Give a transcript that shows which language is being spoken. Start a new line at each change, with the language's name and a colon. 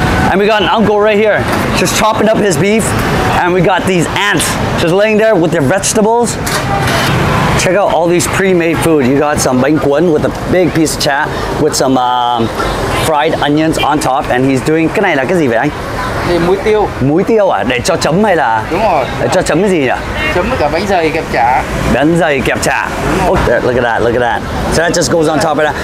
English: And we got an uncle right here, just chopping up his beef. And we got these ants just laying there with their vegetables. Check out all these pre-made food. You got some bánh cuốn with a big piece of chat with some fried onions on top. And he's doing,
Vietnamese: cái này là cái gì vậy anh? Thì muối tiêu. Muối tiêu à? Để cho chấm hay là? Đúng rồi. Để cho chấm cái gì nhỉ? Chấm với cả bánh dày kẹp chả. Bánh dày kẹp chả.
English: Oh, there, look at that, look at that. So that just goes on top of that.